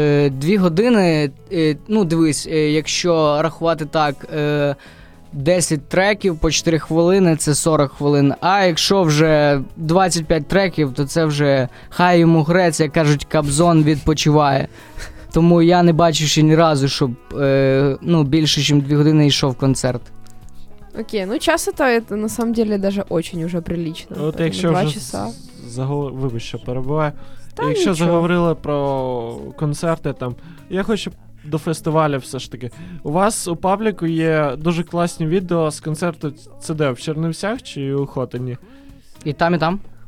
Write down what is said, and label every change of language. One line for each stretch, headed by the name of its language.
Ukrainian: Дві години, ну дивись, якщо рахувати так, 10 треків по 4 хвилини, це 40 хвилин, а якщо вже 25 треків, то це вже хай йому грець, як кажуть, кабзон відпочиває. Тому я не бачу ще ні разу, щоб ну, більше, ніж 2 години йшов концерт.
Russian: Окей, ну час то на самом деле даже очень уже прилично.
Ukrainian: От якщо 2 вже вибач, що перебуває. Та якщо нічого. Заговорили про концерти, там, я хочу до фестивалів все ж таки. У вас у пабліку є дуже класні відео з концерту CD в Чернівцях чи у Хотині? І там, і там?